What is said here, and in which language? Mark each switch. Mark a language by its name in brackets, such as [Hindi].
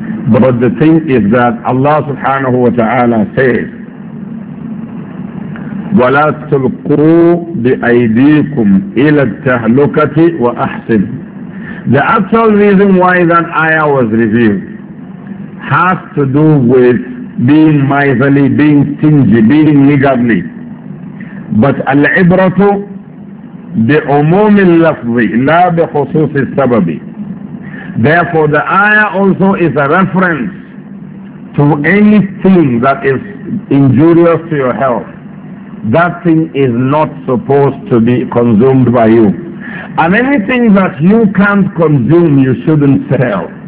[English] But the thing is that Allah subhanahu wa ta'ala says, [Arabic] وَلَا تُلْقُوا بِأَيْدِيكُمْ إِلَى التَّهْلُكَةِ وَأَحْسِنُ. [English] The actual reason why that ayah was revealed has to do with being miserly, being stingy, being niggardly. But [Arabic] العبرة بعموم اللفظ لا بخصوص السبب. [English] Therefore, the ayah also is a reference to anything that is injurious to your health. That thing is not supposed to be consumed by you. And anything that you can't consume, you shouldn't sell.